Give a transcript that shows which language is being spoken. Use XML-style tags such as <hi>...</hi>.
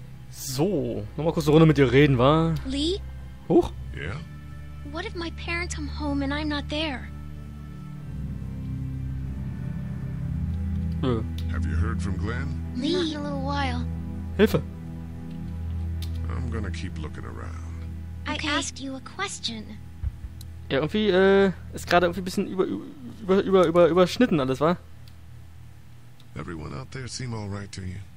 <de>So, nochmal kurz eine Runde mit dir reden, wa? Lee? Huch. Ja? Yeah.</de> <en>What if my parents come home and I'm not there? Have you heard from Glenn? Me? Not in a little while.</en> <de>Hilfe!</de> <en>I'm gonna keep looking around. I asked you a question.</en> <de>Ja, irgendwie ist gerade irgendwie ein bisschen überschnitten alles, wa?</de> <en>Everyone out there seem all right to you?</en>